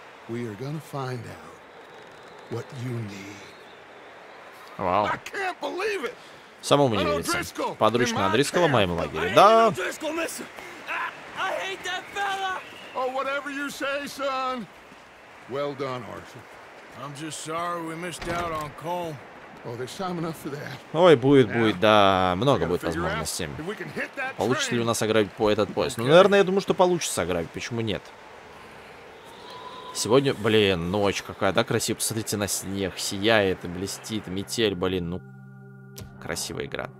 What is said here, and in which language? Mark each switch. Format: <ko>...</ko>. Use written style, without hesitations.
<en>We are gonna find out what you need. Wow. I can't believe it.</en> <ru>Самому не верится. Подручный Дрискола в моем лагере, да?</ru> <en>I hate that fella. Oh, whatever you say, son. Well done, Arthur. I'm just sorry we missed out on Cole. Oh, there's time enough for that.</en> <ru>Ой, будет, да, много будет возможностей. Получится ли у нас ограбить по этот поезд? Ну, наверное, я думаю, что получится ограбить, почему нет? Сегодня, блин, ночь какая, да, красиво, посмотрите на снег, сияет и блестит, метель, блин, ну, красивая игра.</ru>